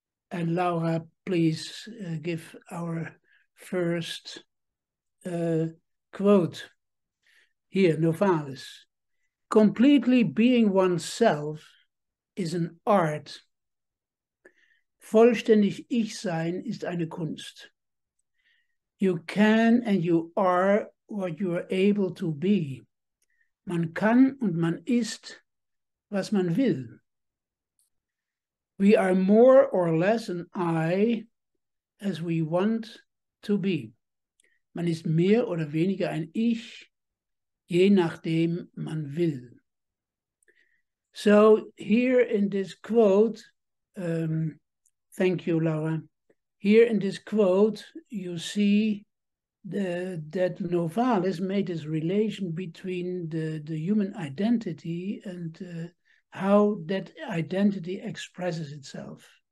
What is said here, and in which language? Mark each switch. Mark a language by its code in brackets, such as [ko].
[en] And Laura, please give our first quote here, Novalis. Completely being oneself is an art. [de] Vollständig ich sein ist eine Kunst. [en] You can and you are what you are able to be. [de] Man kann und man ist, was man will. [en] We are more or less an I, as we want to be. [de] Man ist mehr oder weniger ein Ich, je nachdem man will. [en] So here in this quote, thank you, Laura. Here in this quote, you see that Novalis made this relation between the human identity and how that identity expresses itself.